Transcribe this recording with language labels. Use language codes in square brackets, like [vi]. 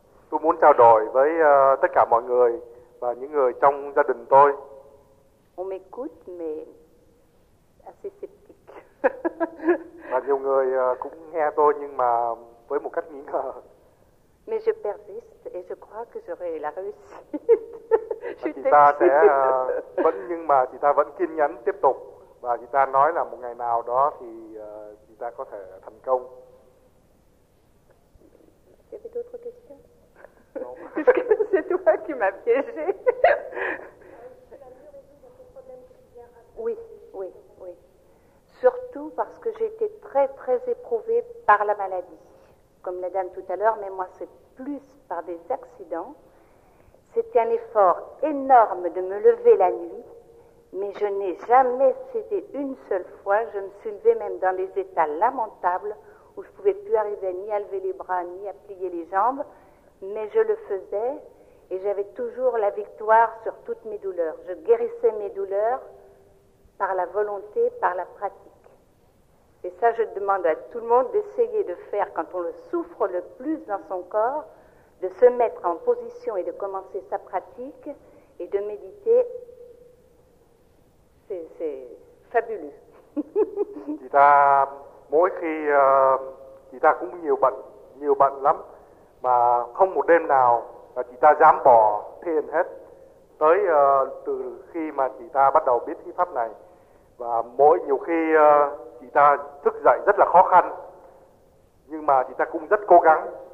[vi] Tôi muốn trao đổi với tất cả mọi người và những người trong gia đình tôi. [fr] On m'écoute mais assez sceptique. [vi] Và nhiều người cũng nghe tôi nhưng mà với một cách nghi ngờ. [fr] Mais je persiste et je crois que j'aurai la réussite. [vi] Chị ta sẽ vẫn nhưng mà chị ta vẫn kiên nhẫn tiếp tục và chị ta nói là một ngày nào đó thì chị ta có thể thành công. [fr] J'avais d'autres questions. Puisque c'est toi qui m'as piégé. Oui, oui, oui. Surtout parce que j'ai été très très éprouvée par la maladie, comme la dame tout à l'heure, mais moi c'est plus par des accidents. C'était un effort énorme de me lever la nuit, mais je n'ai jamais cédé une seule fois. Je me suis levée même dans des états lamentables où je ne pouvais plus arriver ni à lever les bras, ni à plier les jambes, mais je le faisais et j'avais toujours la victoire sur toutes mes douleurs. Je guérissais mes douleurs par la volonté, par la pratique. Et ça, je demande à tout le monde d'essayer de faire quand on le souffre le plus dans son corps, de se mettre en position et de commencer sa pratique et de méditer, c'est fabuleux. [vi] Chị ta mỗi khi chị ta cũng nhiều bận lắm, mà không một đêm nào là chị ta dám bỏ thiền hết. Tới từ khi mà chị ta bắt đầu biết thi pháp này và mỗi nhiều khi chị ta thức dậy rất là khó khăn, nhưng mà chị ta cũng rất cố gắng.